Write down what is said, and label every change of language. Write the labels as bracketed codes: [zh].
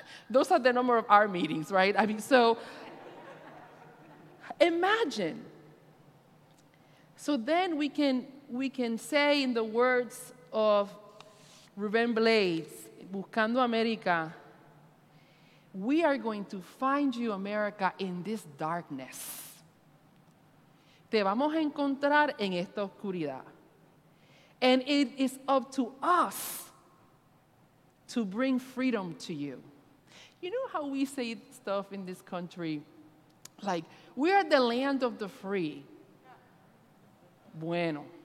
[en] Those are the number of our meetings, right? I mean, so imagine. So then we can say in the words of Ruben Blades, Buscando America, we are going to find you, America, in this darkness. [es] Te vamos a encontrar en esta oscuridad. [en] And it is up to us to bring freedom to you. You know how we say stuff in this country? Like, we are the land of the free. [es] Bueno.